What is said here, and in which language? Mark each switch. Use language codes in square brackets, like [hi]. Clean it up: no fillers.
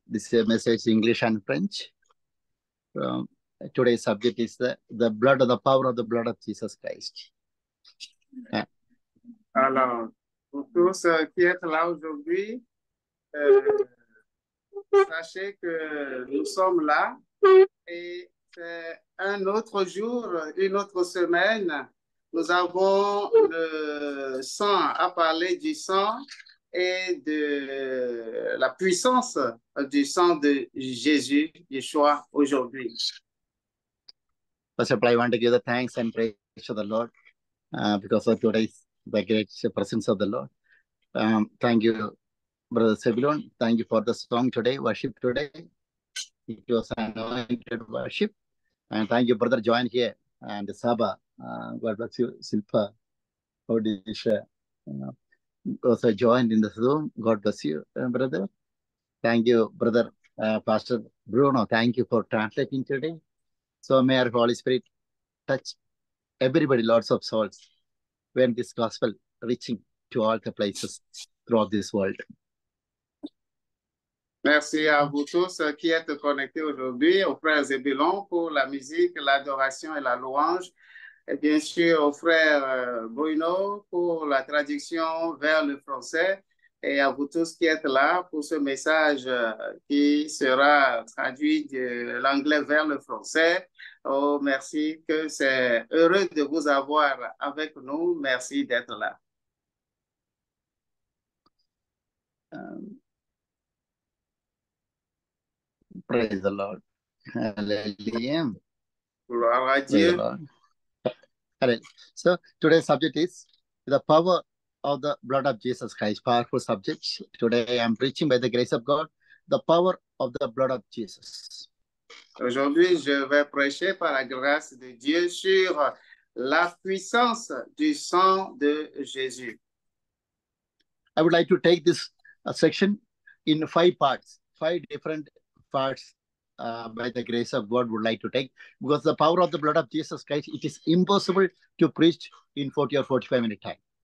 [en] This is a message in English and French. Today's subject is the blood of the power of the blood of Jesus Christ. [fr] Alors, pour tous qui êtes là aujourd'hui, sachez que nous sommes là et un autre jour, une autre semaine, nous avons le sang à parler du sang et de la puissance du sang de Jésus, Yeshua, aujourd'hui. [en] First of all, I want to give the thanks and praise to the Lord because of today's the great presence of the Lord. Thank you, Bro.Zebulon. Thank you for the song today, worship today. It was an anointed worship. And thank you, brother, join here. And Saba, God bless you, Silpa, Odisha. Also joined in the Zoom. God bless you, brother. Thank you, brother, Pastor Bruno. Thank you for translating today. So may our Holy Spirit touch everybody, lots of souls, when this gospel reaching to all the places throughout this world. [fr] Merci à vous tous qui êtes connectés aujourd'hui, aux frères Zebulon pour la musique, l'adoration et la louange. Et bien sûr, aux frères Bruno pour la traduction vers le français. Et à vous tous qui êtes là pour ce message qui sera traduit de l'anglais vers le français. Oh, merci, que c'est heureux de vous avoir avec nous. Merci d'être là. [en] Praise the Lord. Hallelujah. [fr] Gloire à Dieu. [en] Hallelujah. So today's subject is the power of the blood of Jesus Christ. Powerful subject. Today I am preaching by the grace of God, the power of the blood of Jesus. [fr] Aujourd'hui, je vais prêcher par la grâce de Dieu sur la puissance du sang de Jésus. [en] I would like to take this section in five parts, five different parts by the grace of God would like to take, because the power of the blood of Jesus Christ, it is impossible to preach in 40 or 45 minute time.